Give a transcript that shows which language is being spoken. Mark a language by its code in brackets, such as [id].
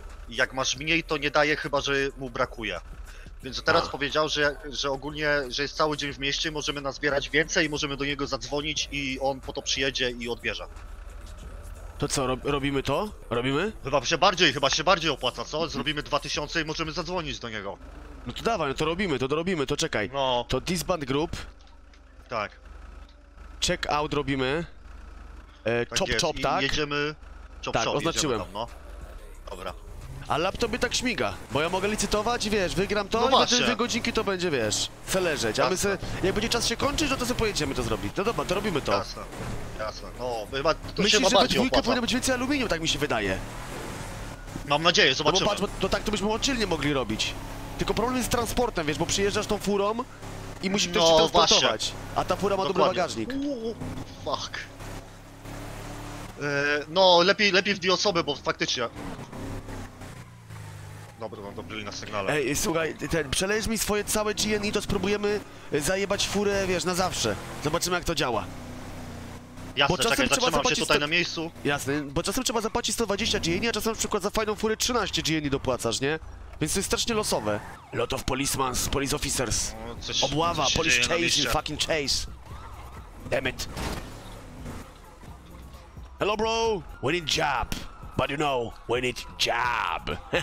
[pl] I jak masz mniej, to nie daje, chyba że mu brakuje. Więc teraz powiedział, że ogólnie, że jest cały dzień w mieście, możemy nazbierać więcej i możemy do niego zadzwonić i on po to przyjedzie i odbierze. To co, robimy to? Robimy? Chyba się bardziej opłaca, co? Zrobimy 2000 i możemy zadzwonić do niego. No to dawaj, to robimy, to czekaj. No. [en] To disband group. [pl] Tak. [en] Check out [pl] robimy. Chop, tak? Jedziemy. Tak, oznaczyłem. Tam, no. Dobra. A laptop mi tak śmiga, bo ja mogę licytować, wiesz, wygram to, no i te 2 godzinki to będzie, wiesz, chcę leżeć. Jasne. A my se, jak będzie czas się kończyć, no to sobie pojedziemy to zrobić. No dobra, to robimy to. Jasne. No, chyba to się myślisz, że dwójka powinna być więcej aluminium, tak mi się wydaje. Mam nadzieję, zobaczymy. No bo patrz, bo tak to byśmy oddzielnie mogli robić. Tylko problem jest z transportem, wiesz, bo przyjeżdżasz tą furą i musi ktoś no, się transportować. Właśnie. A ta fura ma dobry bagażnik. [en] Fuck. [pl] No, lepiej w dwie osoby, bo faktycznie... Dobra, mam dobry na sygnale. Ej, słuchaj, przelejesz mi swoje całe GNI, to spróbujemy zajebać furę, wiesz, na zawsze. Zobaczymy, jak to działa. Jasne, bo czasem czekaj, zatrzymam się tutaj na miejscu. Jasne, bo czasem trzeba zapłacić 120 GNI, a czasem na przykład za fajną furę 13 GNI dopłacasz, nie? Więc to jest strasznie losowe. [en] Lot of policemen, police officers. [pl] Coś, obława, coś [en] police chase, fucking chase. Damn it. Hello, bro. We need job. But you know, when it's job.